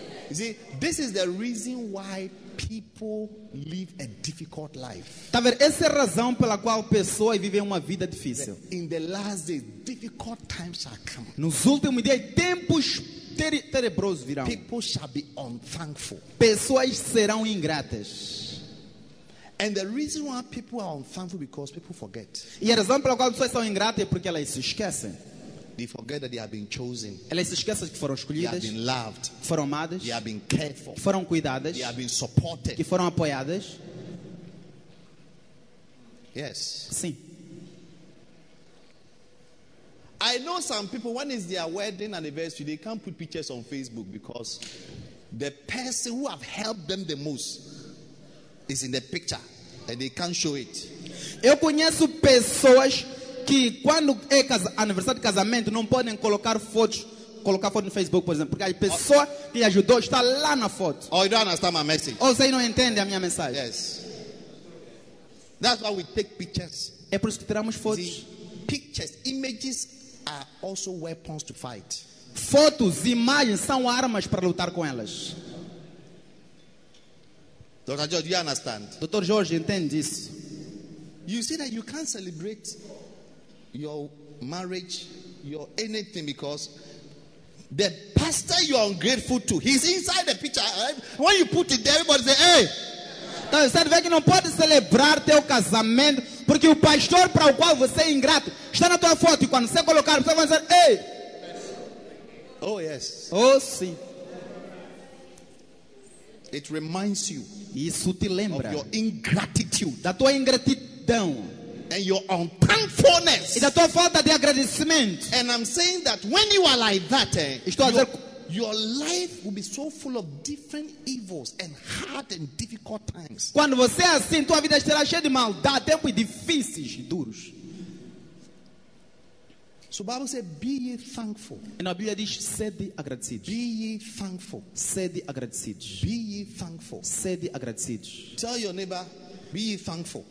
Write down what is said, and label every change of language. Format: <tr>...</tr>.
<en>You see, this is the reason why people live a difficult life.</en> <pt>Tá vendo? Essa é a razão pela qual pessoas vivem uma vida difícil.</pt> <en>In the last days, difficult times shall come.</en> <pt>Nos últimos dias, tempos tenebrosos virão.</pt> <en>People shall be unthankful.</en> <pt>Pessoas serão ingratas.</pt> <en>And the reason why people are unthankful because people forget.</en> <pt>E a razão pela qual pessoas são ingratas é porque elas se esquecem.</pt> <en>They forget that they have been chosen.</en> <pt>Elas se esquecem que foram escolhidas.</pt> <en>They have been loved.</en> <pt>Foram amadas.</pt> <en>They have been cared for.</en> <pt>Foram cuidadas.</pt> <en>They have been supported.</en> <pt>Que foram apoiadas.</pt> <en>Yes.</en> <pt>Sim.</pt> <en>I know some people, when is their wedding anniversary, they can't put pictures on Facebook because the person who have helped them the most is in the picture and they can't show it.</en> <pt>Eu conheço pessoas que quando é aniversário de casamento não podem colocar foto no Facebook, por exemplo, porque a pessoa que ajudou está lá na foto.</pt> <en>Oh, you don't understand my message.</en> <pt>Ou você não entende a minha mensagem.</pt> <en>Yes. That's why we take pictures.</en> <pt>É por isso que tiramos fotos.</pt> <en>See, pictures, images are also weapons to fight.</en> <pt>Fotos, imagens são armas para lutar com elas.</pt> <en>Dr. George, you understand?</en> <pt>Dr. George, entende isso?</pt> <en>You see that you can't celebrate your marriage, your anything, because the pastor you're ungrateful to, he's inside the picture. When you put it there, everybody say, hey.</en> <pt>Então, você vê que não pode celebrar teu casamento porque o pastor para o qual você é ingrato está na tua foto, e quando você colocar, você vai dizer, hey.</pt> <en>Oh, yes.</en> <pt>Oh, sim.</pt> <en>It reminds you.</en> <pt>Isso te lembra</pt> <en>of your ingratitude,</en> <pt>da tua ingratidão,</pt> <en>and your unthankfulness,</en> <pt>e da tua falta de agradecimento.</pt> <en>And I'm saying that when you are like that, your life will be so full of different evils and hard and difficult times.</en> <pt>Quando você é assim, tua vida estará cheia de maldade, tempos difíceis e duros.</pt> <en>So Bible says, be ye thankful.</en> <pt>And a Bíblia diz, sede agradecidos.</pt> <en>Be ye thankful.</en> <pt>Sede agradecidos.</pt> <en>Be ye thankful.</en> <pt>Sede agradecidos.</pt> <en>Tell your neighbor, be ye thankful.</en>